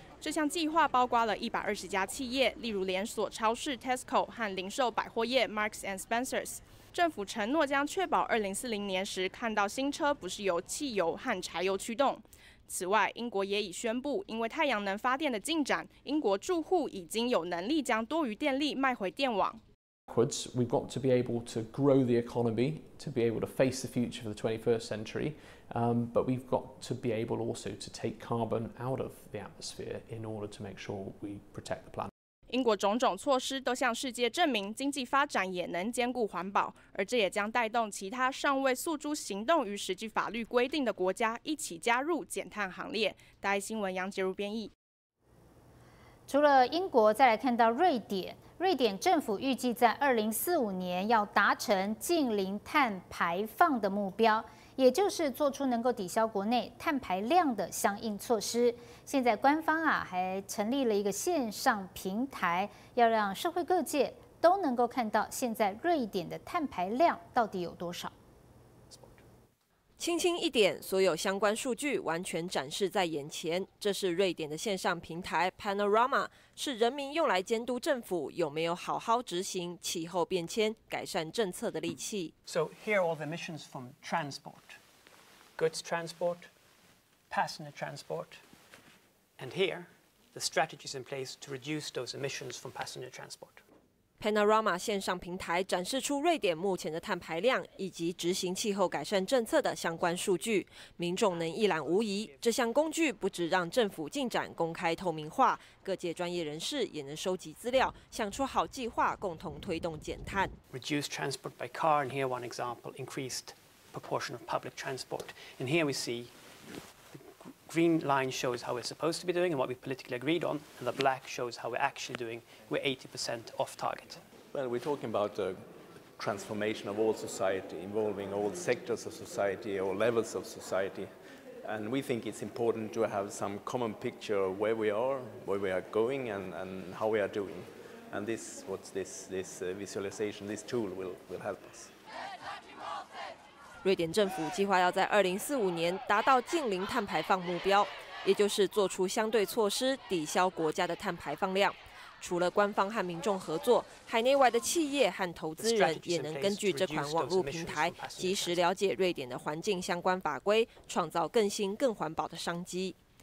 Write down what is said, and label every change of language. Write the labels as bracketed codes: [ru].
[zh] 这项计划包括了120家企业，例如连锁超市 Tesco 和零售百货业 Marks & Spencers。政府承诺将确保2040年时看到新车不是由汽油和柴油驱动。此外，英国也已宣布，因为太阳能发电的进展，英国住户已经有能力将多余电力卖回电网。 [en] We've got to be able to grow the economy, to be able to face the future of the 21st century, but we've got to be able also to take carbon out of the atmosphere in order to make sure we protect the planet. [zh] 英国种种措施都向世界证明经济发展也能兼顾环保，而这也将带动其他尚未诉诸行动与实际法律规定的国家一起加入减碳行列。大爱新闻杨杰如编译。除了英国，再来看到瑞典。瑞典政府预计在2045年要达成净零碳排放的目标，也就是做出能够抵消国内碳排量的相应措施。现在官方啊还成立了一个线上平台，要让社会各界都能够看到现在瑞典的碳排量到底有多少。轻轻一点，所有相关数据完全展示在眼前。这是瑞典的线上平台 Panorama， 是人民用来监督政府有没有好好执行气候变迁改善政策的利器。 [en] So here are all the emissions from transport, goods transport, passenger transport, and here the strategies in place to reduce those emissions from passenger transport. [zh] Panorama 线上平台展示出瑞典目前的碳排量以及执行气候改善政策的相关数据，民众能一览无遗。这项工具不只让政府进展公开透明化，各界专业人士也能收集资料，想出好计划，共同推动减碳。 [en] Reduced transport by car, and here one example: increased proportion of public transport. And here we see the green line shows how we're supposed to be doing and what we politically agreed on, and the black shows how we're actually doing. We're 80% off target. Well, we're talking about the transformation of all society, involving all sectors of society, all levels of society. And we think it's important to have some common picture of where we are going, and how we are doing. And this, what's this, this visualization, this tool will help us. [zh] 瑞典政府计划要在2045年达到净零碳排放目标，也就是做出相对措施抵消国家的碳排放量。除了官方和民众合作，海内外的企业和投资人也能根据这款网络平台及时了解瑞典的环境相关法规，创造更新更环保的商机。